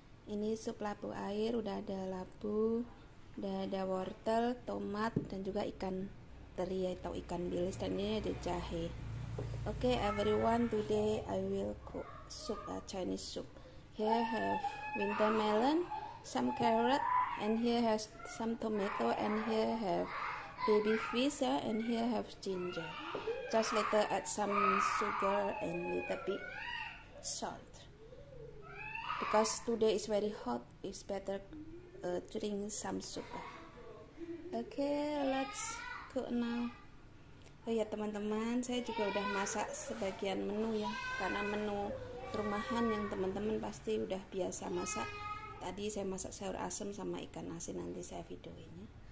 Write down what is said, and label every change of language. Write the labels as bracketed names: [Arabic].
[Indonesian] Ini sup labu air, udah ada labu, udah ada wortel, tomat, dan juga ikan teri atau ikan bilis, dan ini ada jahe. [English] Oke, everyone, today I will cook soup, Chinese soup. Here I have winter melon, some carrot, and here has some tomato, and here have baby fish, and here have ginger. Just later add some sugar and little bit salt. Because today is very hot, it's better drink some soup. Okay, let's cook now. [Indonesian] Oh ya teman-teman, saya juga udah masak sebagian menu ya, karena menu rumahan yang teman-teman pasti udah biasa masak. Tadi saya masak sayur asem sama ikan asin, nanti saya videoin ya.